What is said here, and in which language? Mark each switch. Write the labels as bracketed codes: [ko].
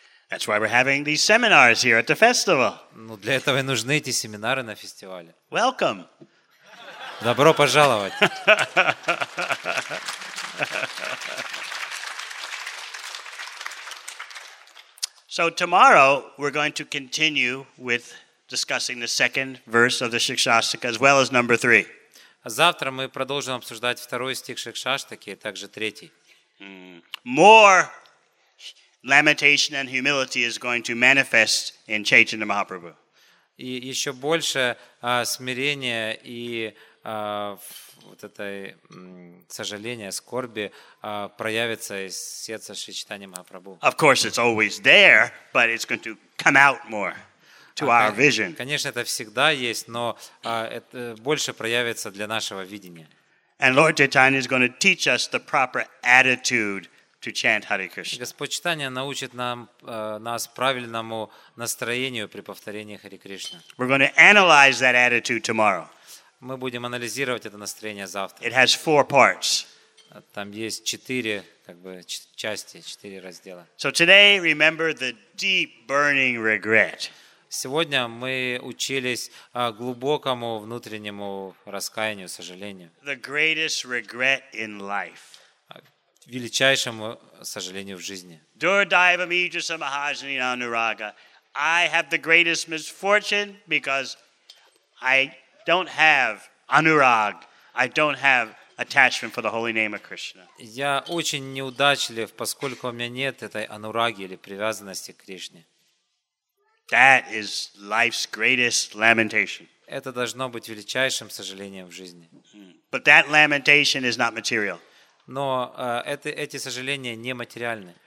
[en] That's why we're having these seminars here at the festival. [ru] Ну для этого и нужны эти семинары на фестивале. [en] Welcome. [ru] Добро пожаловать. [en] So tomorrow we're going to continue with discussing the second verse of the Shikshastika as well as number 3. [ru] Завтра мы продолжим обсуждать второй стих Шикшаштаки, а также третий. [en] More lamentation and humility is going to manifest in Chaitanya Mahaprabhu. [ru] И еще больше смирения и вот этой сожаления, скорби проявится из сердца Шри Чайтаньи Махапрабху. [en] Of course, it's always there, but it's going to come out more to our vision. [ru] Конечно, это всегда есть, но это больше проявится для нашего видения. [en] And Lord Chaitanya is going to teach us the proper attitude to chant Hare Krishna. [ru] Господь Чайтанья научит нас правильному настроению при повторении Hare Krishna. [en] We're going to analyze that attitude tomorrow. [ru] Мы будем анализировать это настроение завтра. [en] It has 4 parts. [ru] Там есть 4 части, 4 раздела. [en] So today remember the deep burning regret. [ru] Сегодня мы учились глубокому внутреннему раскаянию, сожалению. [en] The greatest regret in life. [ru] Величайшему сожалению в жизни. [sa] Дурдайвам Иджаса Махаджани Анурага. [en] I have the greatest misfortune because I don't have Anurag. I don't have attachment for the holy name of Krishna. [ru] Я очень неудачлив, поскольку у меня нет этой Анураги или привязанности к Кришне. [en] That is life's greatest lamentation. [ru] Это должно быть величайшим сожалением в жизни. [en] But that lamentation is not material. [ru] Но эти сожаления не материальны.